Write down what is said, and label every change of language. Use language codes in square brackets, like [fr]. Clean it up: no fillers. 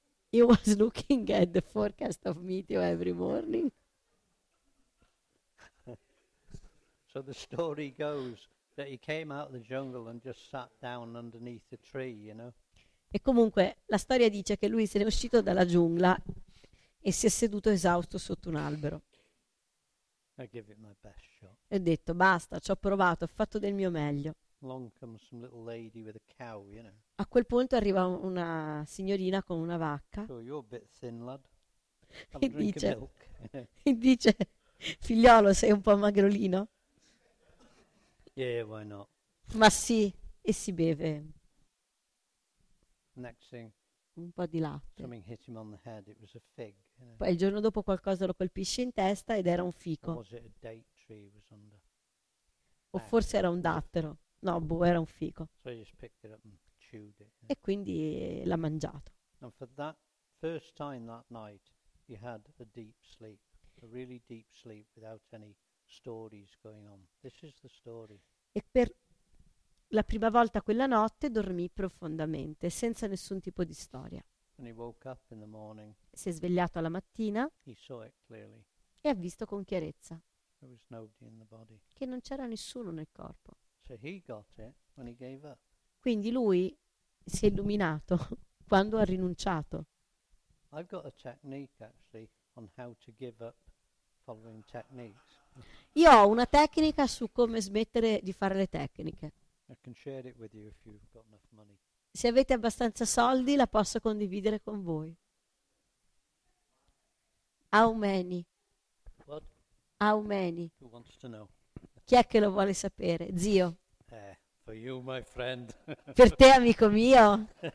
[en] He was looking at the forecast of meteor every morning. So the story goes that he came out of the jungle and just sat down underneath a tree, you know. [it] E comunque la storia dice che lui se n'è uscito dalla giungla e si è seduto esausto sotto un albero. [en] I give it my best shot. [it] E ho detto basta, ci ho provato, ho fatto del mio meglio. [en] Along comes some little lady with a cow, you know. [it] A quel punto arriva una signorina con una vacca. [en] So you're a bit thin, lad. [it] E dice, e dice, figliolo, sei un po' magrolino. [en] Yeah, why not? [it] Ma sì, e si beve. [en] Next thing. [it] Un po' di latte. [en] Something hit him on the head. It was a fig. You know? [it] Poi il giorno dopo qualcosa lo colpisce in testa ed era un fico. [en] Or was it a date tree? It was under. [it] O forse era un dattero. No, boh, era un fico. [en] So he just picked it up and chewed it. [it] E quindi l'ha mangiato. [en] And for that first time that night, he had a deep sleep. A really deep sleep without any stories going on. This is the story. [it] E per la prima volta quella notte dormì profondamente, senza nessun tipo di storia. [en] And he woke up in the morning. [it] Si è svegliato alla mattina. [en] He saw it clearly. [it] E ha visto con chiarezza. [en] There was nobody in the body. [it] Che non c'era nessuno nel corpo. [en] So he got it when he gave up. [it] Quindi lui si è illuminato quando ha rinunciato. [en] I've got a technique actually on how to give up following techniques. [it] Io ho una tecnica su come smettere di fare le tecniche. [en] I can share it with you if you've got enough money. [it] Se avete abbastanza soldi la posso condividere con voi. [en] How many? What? How many? Who wants to know? [it] Chi è che lo vuole sapere? Zio. [en] For you, my friend. [it] Per te, amico mio.